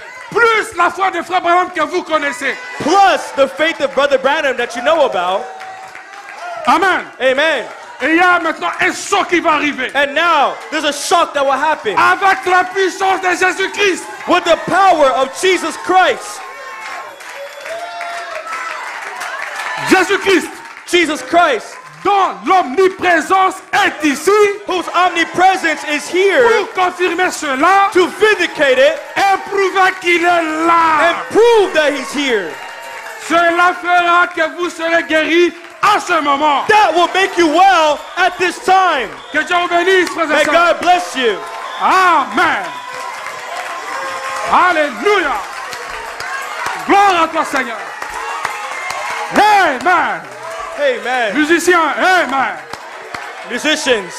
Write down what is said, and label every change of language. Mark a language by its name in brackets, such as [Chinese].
[French] Plus la foi de Frère Branham que vous connaissez. [English] Plus the faith of Brother Branham that you know about. Amen. Amen. [French] Et il y a maintenant un choc qui va arriver. [English] And now there's a shock that will happen. [French] Avec la puissance de Jésus-Christ. [English] With the power of Jesus Christ. [French] Jésus-Christ. [English] Jesus Christ. [French] Dont l'omniprésence est ici. [English] Whose omnipresence is here. [French] Pour confirmer cela. [English] To vindicate it. [French] Et prouver qu'il est là. [English] And prove that he's here. [French] Cela fera que vous serez guéri. À ce moment. [English] That will make you well at this time. [French] Que Dieu vous bénisse, frères et sœurs. [English] May God bless you. [French] Amen. Alléluia. Gloire à toi, Seigneur. Amen. Amen. Musiciens, amen. [English] Musicians.